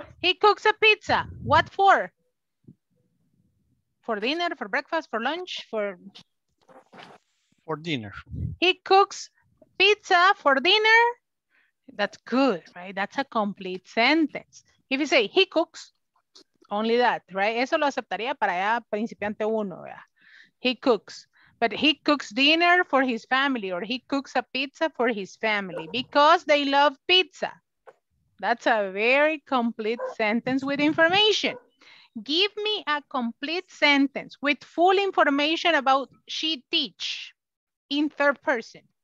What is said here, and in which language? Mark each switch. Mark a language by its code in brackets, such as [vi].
[en] He cooks a pizza. What for? For dinner, for breakfast, for lunch, for? For dinner. He cooks pizza for dinner. That's good, right? That's a complete sentence. If you say he cooks, only that, right? [es] Eso lo aceptaría para ya principiante uno, ¿verdad? [en] He cooks, but he cooks dinner for his family or he cooks a pizza for his family because they love pizza. That's a very complete sentence with information. Give me a complete sentence with full information about she teach in third person.